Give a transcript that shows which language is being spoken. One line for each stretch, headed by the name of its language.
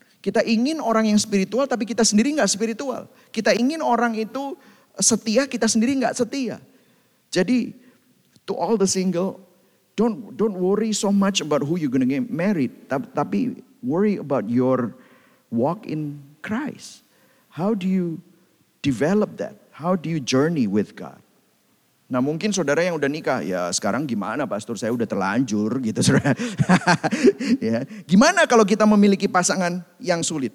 Indonesian: Kita ingin orang yang spiritual, tapi kita sendiri gak spiritual. Kita ingin orang itu setia, kita sendiri gak setia. Jadi,
English: to all the single, don't worry so much about who you're gonna get married,
Indonesian: tapi
English: worry about your walk in Christ. How do you develop that? How do you journey with God?
Indonesian: Nah mungkin saudara yang udah nikah, ya sekarang gimana pastor, saya udah terlanjur gitu saudara. Ya. Gimana kalau kita memiliki pasangan yang sulit?